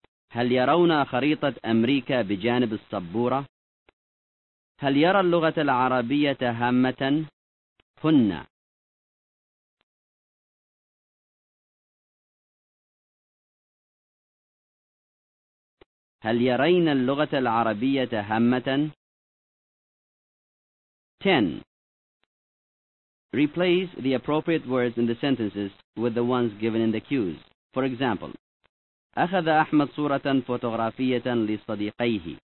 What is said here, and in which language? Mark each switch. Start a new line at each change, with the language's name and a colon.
Arabic: هل يرون خريطة أمريكا بجانب السبورة؟ هل يرى اللغة العربية هامة؟ هن. هل يرين اللغة العربية هامة؟ 10.
English: Replace the appropriate words in the sentences with the ones given in the cues. For example,
Arabic: أخذ أحمد صورة فوتوغرافية لصديقيه.